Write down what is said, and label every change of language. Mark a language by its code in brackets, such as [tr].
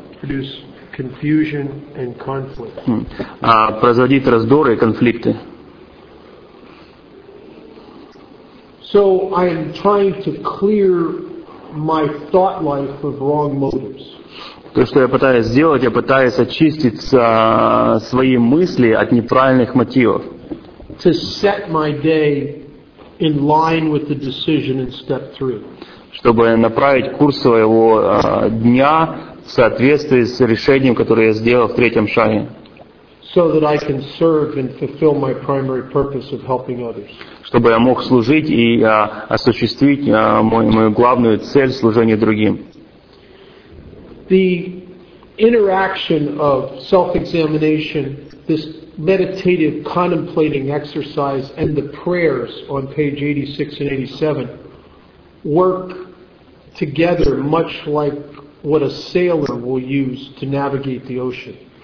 [en] Produce confusion and conflict. [ru] Производить раздоры и конфликты. [en] So I am trying to clear my thought life of wrong motives. [ru] То, что я пытаюсь сделать, я пытаюсь очистить свои мысли от неправильных мотивов. [en] To set my day in line with the decision in step three. [ru] Чтобы направить курс своего дня в соответствии с решением, которое я сделал в третьем шаге. [en] So that I can serve and fulfill my primary purpose of helping others. [ru] Чтобы я мог служить и осуществить мою главную цель служения другим. [en] The interaction of self-examination, this meditative contemplating exercise, and the prayers on page 86 and 87 work together much like what a sailor will use to navigate the ocean.